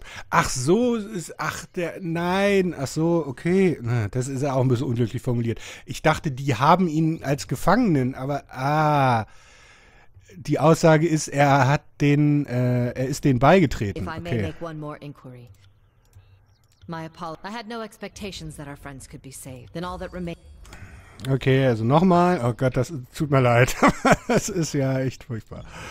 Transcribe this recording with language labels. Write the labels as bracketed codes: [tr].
[de] Ach so, ist, ach der, nein, ach so, okay, das ist ja auch ein bisschen unglücklich formuliert. Ich dachte, die haben ihn als Gefangenen, aber, die Aussage ist, er hat den, er ist denen beigetreten. [en] If I okay. may make one more inquiry. My apologies. I had no expectations that our friends could be saved. Then all that remained. [de] Okay, also nochmal, oh Gott, das tut mir leid, das ist ja echt furchtbar.